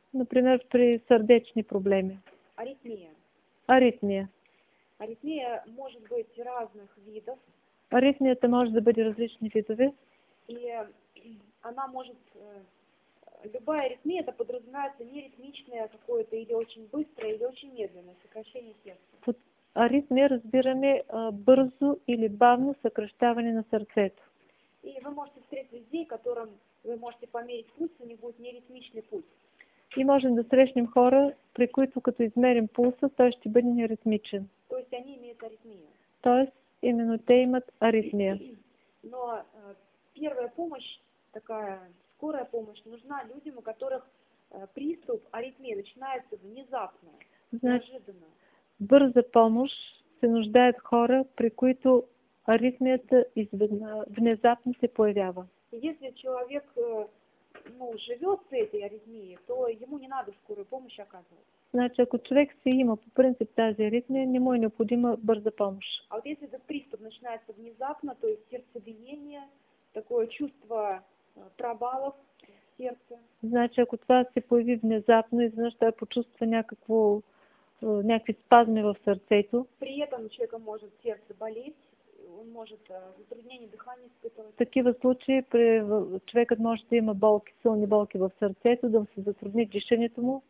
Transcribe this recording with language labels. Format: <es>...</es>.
<bg>Например, при сърдечни проблеми.</bg> <ru>Аритмия.</ru> <bg>Аритмия. Аритмия може да бъде</bg> <ru>разных видов.</ru> <bg>Аритмията може да бъде различни видове.</bg> <ru>И она може... Любая аритмия, это подразумевается не ритмичное какое-то, или очень быстрое, или очень медленное сокращение сердца.</ru> <bg>Под аритмия разбираме бързо или бавно съкращаване на сърцето.</bg> <ru>И вы можете встретить людей, которым вы можете померить пульс, у них будет не ритмичный пульс.</ru> <bg>И можем да срещнем хора, при които като измерим пулса, той ще бъде неритмичен.</bg> <ru>То есть они имеют аритмию. То есть именно</ru> <bg>те имат аритмия.</bg> <ru>Но первая помощь такая... Скорая помощь нужна людям, у которых приступ аритмии начинается внезапно, неожиданно.</ru> <bg>Бърза помощ се нуждаят хора, при които аритмията внезапно се появява.</bg> <ru>Если человек живет с этой аритмией, то ему не надо скорую помощь оказывать.</ru> <bg>Значит, ако человек си има по принцип тази аритмия, не му е необходима бърза помощ.</bg> <ru>А вот если этот приступ начинается внезапно, то есть сердцебиение, такое чувство... пробалов сердца.</ru> <bg>Значи, ако това се появи внезапно, изведнъж той почувства някакви спазми в сърцето.</bg> <ru>При этом человека может сердце болеть, он может затруднение дыхания испытывать.</ru> <bg>В такива случаи човекът може да има болки, силни болки в сърцето, да се затрудни дишането му.</bg>